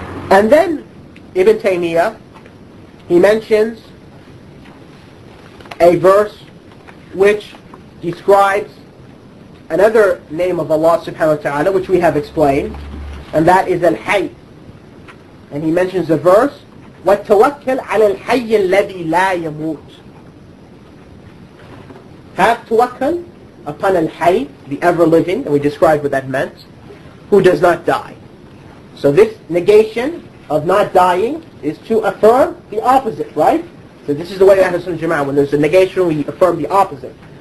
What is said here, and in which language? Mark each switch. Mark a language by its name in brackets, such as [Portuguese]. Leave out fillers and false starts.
[English] And then Ibn Taymiyyah, he mentions a verse which describes another name of Allah subhanahu wa ta'ala, which we have explained, and that is Al-Hayy. And he mentions a verse, [Arabic] وَتَوَكَّلْ عَلَى الْحَيِّ الَّذِي لَا يَمُوتُ. [English] Have tawakkal upon Al-Hayy, the ever-living, and we described what that meant, who does not die. So this negation of not dying is to affirm the opposite, right? So this is the way that Ahlus Sunnah Jama'ah, when there's a negation, we affirm the opposite.